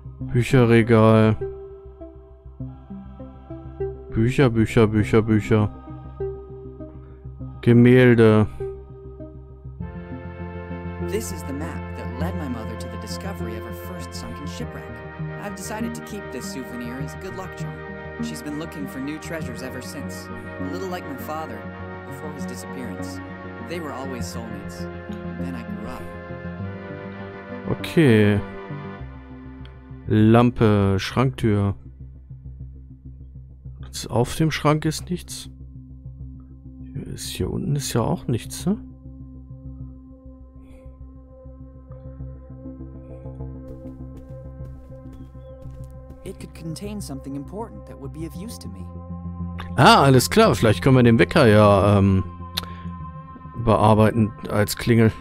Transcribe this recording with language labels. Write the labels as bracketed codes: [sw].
[de] Bücherregal. Bücher, Bücher, Bücher, Bücher. Gemälde. [en] This is the map that led my mother to the discovery of her first sunken shipwreck. I've decided to keep this souvenir as a good luck charm. She's been looking for new treasures ever since. A little like my father, before his disappearance. They were always soulmates. Then I grew up. [de] Okay. Lampe, Schranktür. Jetzt auf dem Schrank ist nichts. Hier unten ist ja auch nichts, ne? [en] It could contain something important that would be of use to me. [de] Ah, alles klar. Vielleicht können wir den Wecker ja bearbeiten als Klingel.